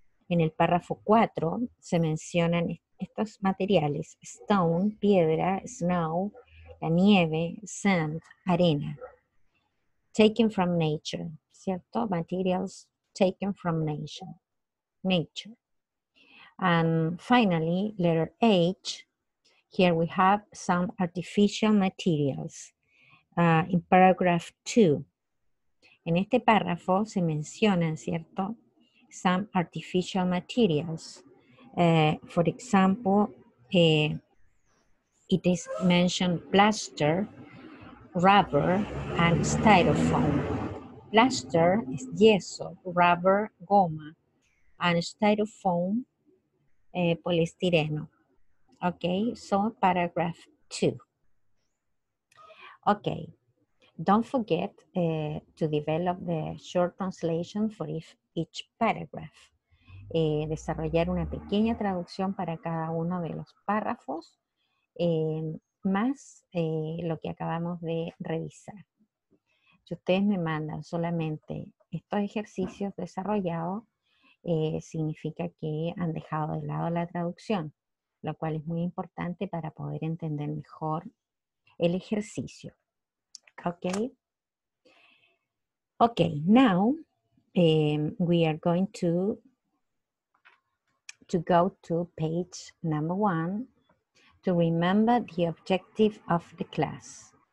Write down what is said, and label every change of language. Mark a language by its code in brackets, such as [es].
[es] En el párrafo 4 se mencionan estos materiales, stone, piedra, snow, la nieve, sand, arena. [en] Taken from nature, ¿cierto? Materials taken from nature. And finally, letter H, here we have some artificial materials. In paragraph 2, [es] en este párrafo se mencionan, ¿cierto? [en] Some artificial materials. For example, it is mentioned plaster, rubber, and styrofoam. Plaster is yeso, rubber, goma, and styrofoam, polistireno. Okay, so paragraph 2. Okay. Don't forget to develop the short translation for each paragraph. [es] Desarrollar una pequeña traducción para cada uno de los párrafos, más lo que acabamos de revisar. Si ustedes me mandan solamente estos ejercicios desarrollados, significa que han dejado de lado la traducción, lo cual es muy importante para poder entender mejor el ejercicio. [en] Okay, now we are going to go to page number 1 to remember the objective of the class.